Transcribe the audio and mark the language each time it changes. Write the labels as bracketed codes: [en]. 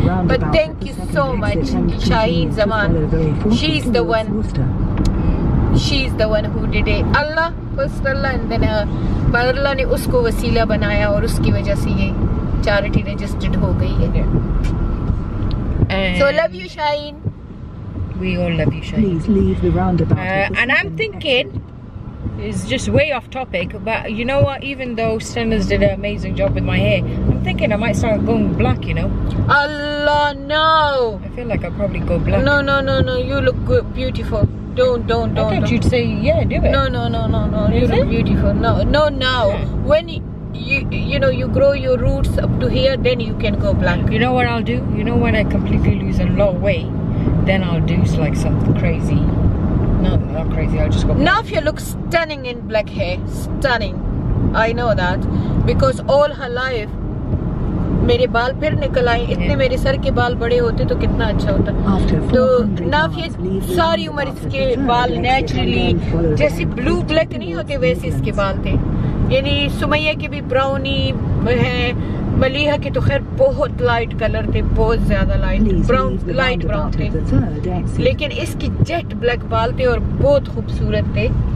[en] But thank you so much Shaheen Zaman, she is the one, she is the one who did it. [hi] Allah [en] first Allah and then [hi] अल्लाह ने उसको वसीला बनाया और उसकी वजह से ये चैरिटी रजिस्टर्ड हो गई है. [en] So love you Shaheen. We all love you Shaheen. Please leave the roundabout. And I'm thinking, it's just way off topic, but you know what, even though Stenners did an amazing job with my hair, I'm thinking I might start going black, you know. Allah no. I feel like I'll probably go black. No, you look good, beautiful. Don't. I thought you'd say yeah, do it. No. Is you it? Look beautiful. No. Yeah. When you know, you grow your roots up to here, then you can go black. You know what I'll do? You know when I completely lose a lot of weight, then I'll do like something crazy. No, not crazy, I'll just go black. Nafia looks stunning in black hair. Stunning. I know that. Because all her life, [hi] मेरे बाल फिर निकल आए. इतने मेरे sir के बाल बड़े होते तो कितना अच्छा होता. तो नाफिया सारी उम्र इसके बाल नेचुरली जैसे ब्लू ब्लैक नहीं होते वैसे इसके बाल थे. यानी सुमैया के भी ब्राउनी है, मलीहा के तो खैर बहुत लाइट कलर थे, बहुत ज्यादा लाइट ब्राउन थे, लेकिन इसकी जेट ब्लैक बाल थे और बहुत खूबसूरत थे.